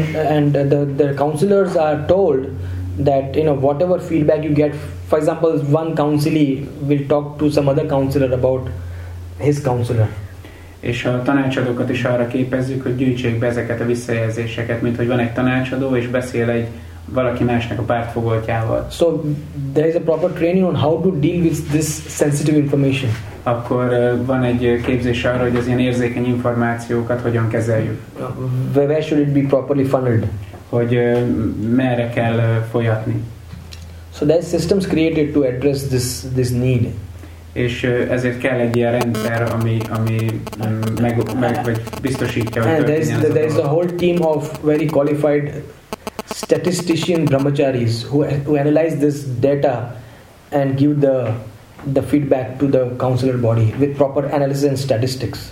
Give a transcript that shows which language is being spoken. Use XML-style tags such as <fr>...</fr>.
<en>And the counselors are told that, you know, whatever feedback you get, for example, one counselee will talk to some other counselor about his counselor.</en> <hu>És a tanácsadókat is arra képezzük, hogy gyűjtsék be ezeket a visszajelzéseket, mint hogy van egy tanácsadó és beszél egy valaki másnak a pártfogoltjával.</hu> <en>So there is a proper training on how to deal with this sensitive information.</en> <hu>Akkor van egy képzés arra, hogy az ilyen érzékeny információkat hogyan kezeljük.</hu> <en>Where should it be properly funneled?</en> <hu>Hogy merre kell folyatni.</hu> <en>So there's systems created to address this need.</en> <hu>És ezért kell egy ilyen rendszer, ami meg vagy biztosítja, hogy történjen ez a dolog.</hu> <en>There's a whole team of very qualified statistician brahmacharis who analyze this data and give the feedback to the counselor body with proper analysis and statistics.</en>